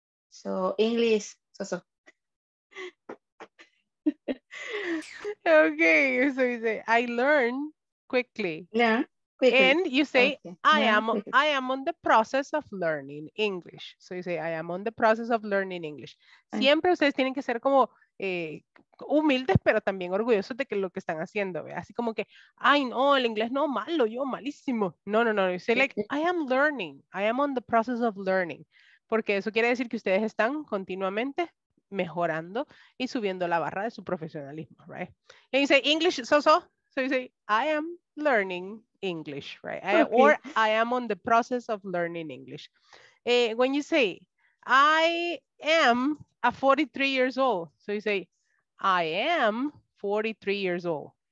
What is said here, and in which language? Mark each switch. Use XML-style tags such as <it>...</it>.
<en>So English, so. Okay, so you say I learn quickly. Yeah, quickly. And you say okay. I am on the process of learning English. So you say I am on the process of learning English.</en> <es>Siempre ustedes tienen que ser como humildes, pero también orgullosos de que lo que están haciendo, ¿ve? Así como que, ay, no, el inglés no, malo, yo, malísimo. No.</es> <en>You say, like, I am learning. I am on the process of learning.</en> <es>Porque eso quiere decir que ustedes están continuamente mejorando y subiendo la barra de su profesionalismo, right? Y dice,</es> <en>English, so. So you say, I am learning English, right? Okay. Or I am on the process of learning English. When you say, I am a 43 years old. So you say, I am 43 years old.</en>